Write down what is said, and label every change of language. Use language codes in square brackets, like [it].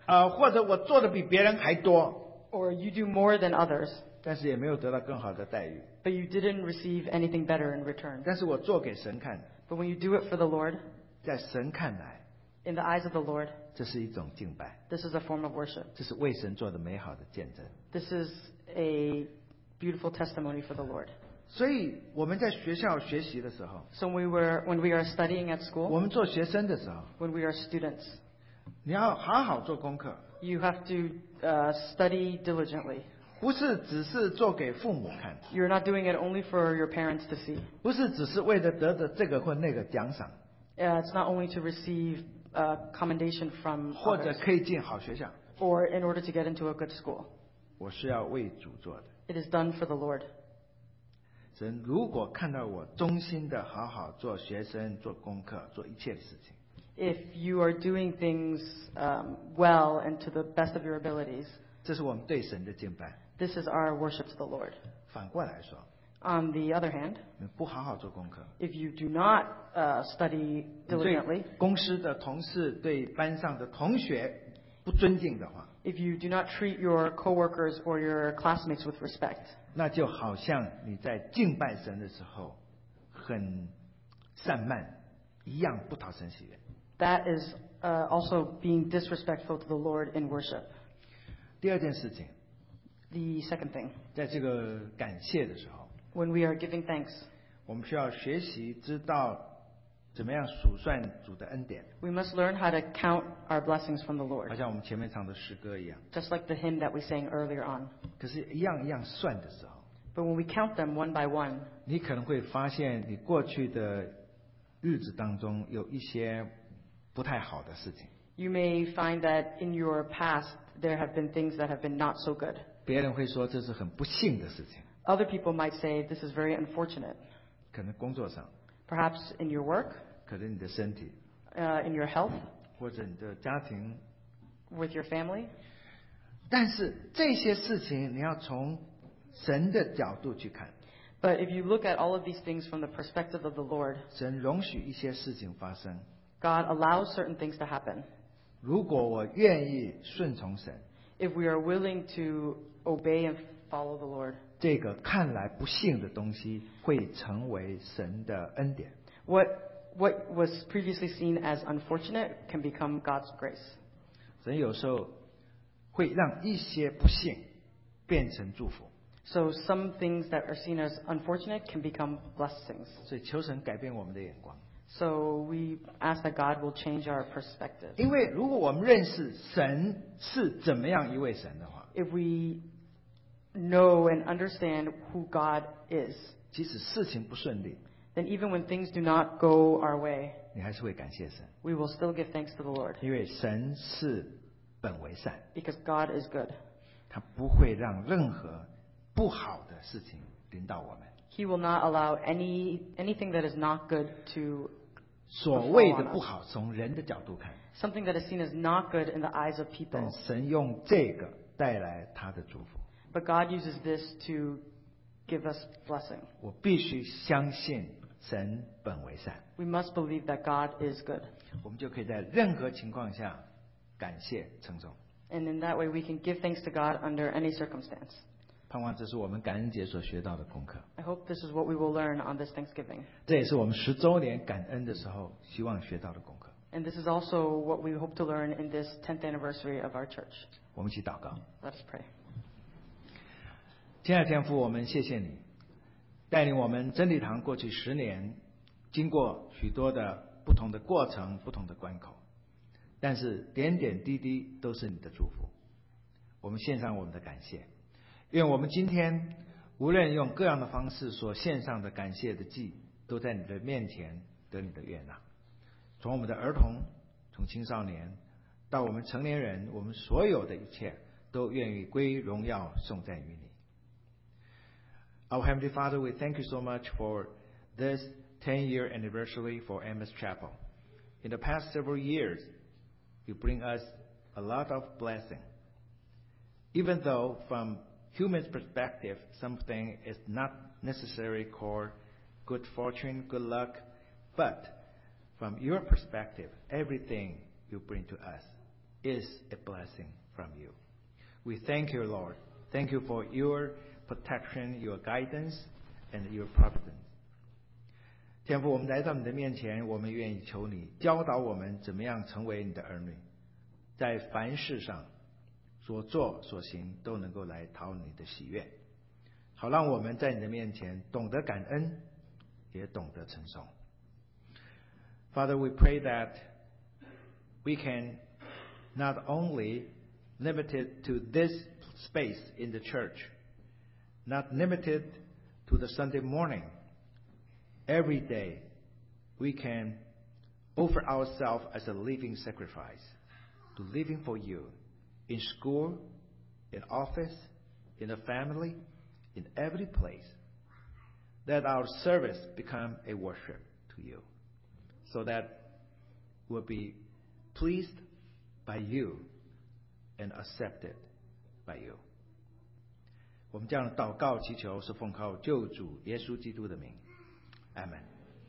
[zh] 或者我做的比别人还多。 [en] Or you do more than others. [zh] 但是也没有得到更好的待遇。 [en] But you didn't receive anything better in return. [zh] 但是我做给神看。 [en] But when you do it for the Lord, [zh] 在神看来。 [en] In the eyes of the Lord, [zh] 这是一种敬拜。 [en] This is a form of worship. [zh] 这是为神做的美好的见证。 [en] This is a beautiful testimony for the Lord. [zh] 所以我们在学校学习的时候 [en] So when we are studying at school, [zh] 我们做学生的时候 [en] When we are students, [zh] 你要好好做功课 [en] You have to study diligently. [zh] 不是只是做给父母看 [en] You're not doing it only for your parents to see. [zh] 不是只是为了得的这个或那个奖赏 [en] It's not only to receive a commendation from others, [zh] 或者可以进好学校 [en] Or in order to get into a good school. [zh] 我是要为主做的 [en] It is done for the Lord. [zh] 神如果看到我忠心的好好做学生、做功课、做一切的事情 [en] ，If you are doing things well and to the best of your abilities， [zh] 这是我们对神的敬拜。 [en] This is our worship to the Lord. [zh] 反过来说 [en] ，On the other hand， [zh] 你不好好做功课 [en] ，If you do not study diligently， [zh] 公司的同事对班上的同学。不尊敬的话， [en] if you do not treat your coworkers or your classmates with respect， [zh] 那就好像你在敬拜神的时候很散漫，一样不讨神喜悦。 [en] That is also being disrespectful to the Lord in worship. [zh] 第二件事情， [en] the second thing， [zh] 在这个感谢的时候， [en] when we are giving thanks， [zh] 我们需要学习知道怎么样数算主的恩典。 [en] We must learn how to count our blessings from the Lord. [zh] 好像我们前面唱的诗歌一样。 [en] Just like the hymn that we sang earlier on. [zh] 可是，一样一样算的时候。 [en] But when we count them one by one. [zh] 你可能会发现，你过去的日子当中有一些不太好的事情。 [en] You may find that in your past there have been things that have been not so good. [zh] 别人会说这是很不幸的事情。 [en] Other people might say this is very unfortunate. [zh] 可能工作上。 [en] Perhaps in your work, [zh] 可能你的身体, [en] in your health, [zh] 或者你的家庭, [en] with your family. [zh] 但是这些事情你要从神的角度去看。 [en] But if you look at all of these things from the perspective of the Lord, [zh] 神容许一些事情发生。 [en] God allows certain things to happen. [zh] 如果我愿意顺从神, [en] if we are willing to obey and follow the Lord, [zh] 这个看来不幸的东西会成为神的恩典。 [en] What was previously seen as unfortunate can become God's grace. [zh] 神有时候会让一些不幸变成祝福。 [en] So some things that are seen as unfortunate can become blessings. [zh] 所以求神改变我们的眼光。 [en] So we ask that God will change our perspective. [zh] 因为如果我们认识神是怎么样一位神的话， [en] if weKnow and understand who God is. [zh] 即使事情不顺利， [en] then even when things do not go our way, [zh] 你还是会感谢神。 [en] We will still give thanks to the Lord. [zh] 因为神是本为善。 [en] Because God is good. [zh] 他不会让任何不好的事情临到我们。 [en] He will not allow anything that is not good to fall on us. [zh] 所谓的不好，从人的角度看。 [en] Something that is seen as not good in the eyes of people. [zh] 但神用这个带来他的祝福。 [en] But God uses this to give us blessing. [zh] 我必须相信神本为善。 [en] We must believe that God is good. [zh] 我们就可以在任何情况下感谢称颂。 [en] And in that way, we can give thanks to God under any circumstance. [zh] 盼望这是我们感恩节所学到的功课。 [en] I hope this is what we will learn on this Thanksgiving. [zh] 这也是我们十周年感恩的时候希望学到的功课。 [en] And this is also what we hope to learn in this 10th anniversary of our church. [zh] 我们一起祷告。 [en] Let us pray. [zh] 亲爱的天父，我们谢谢你带领我们真理堂过去十年，经过许多的不同的过程，不同的关口，但是点点滴滴都是你的祝福。我们献上我们的感谢，愿我们今天无论用各样的方式所献上的感谢的祭，都在你的面前得你的悦纳。从我们的儿童，从青少年到我们成年人，我们所有的一切都愿意归荣耀颂赞于你。 [en] Our Heavenly Father, we thank you so much for this 10-year anniversary for Amos Chapel. In the past several years, you bring us a lot of blessing. Even though from human perspective, something is not necessarily called good fortune, good luck, but from your perspective, everything you bring to us is a blessing from you. We thank you, Lord. Thank you for your protection, your guidance, and your providence. [zh] 天父，我们来到你的面前，我们愿意求你教导我们怎么样成为你的儿女，在凡事上所做所行都能够来讨你的喜悦，好让我们在你的面前懂得感恩，也懂得称颂。 [en] Father, we pray that we can not only limited to this space in the church. Not limited to the Sunday morning. Every day, we can offer ourselves as a living sacrifice to living for you in school, in office, in a family, in every place. Let our service become a worship to you so that we'll be pleased by you and accepted by you. [zh] 我们这样祷告祈求是奉靠救主耶稣基督的名， Amen.